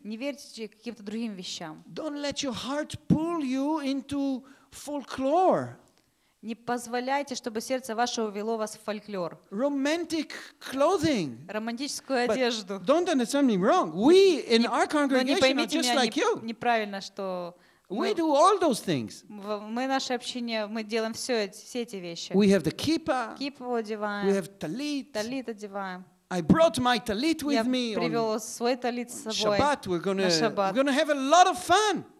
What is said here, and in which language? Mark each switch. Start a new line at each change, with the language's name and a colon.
Russian: Не верьте каким-то другим вещам.
English: Don't let your heart pull you into folklore.
Russian: Не позволяйте, чтобы сердце ваше увело вас в фольклор.
English: Romantic clothing.
Russian: Романтическую одежду.
English: Don't understand me wrong. We in our congregation are just like you.
Russian: Неправильно, что
English: we do all those things.
Russian: Мы наше общение, мы делаем все эти вещи.
English: We have the kippa.
Russian: Кипу одеваем.
English: We have talit.
Russian: Талит одеваем.
English: I brought my talit with me.
Russian: Я привел свой талит с собой.
English: Shabbat, we're gonna have a lot of fun.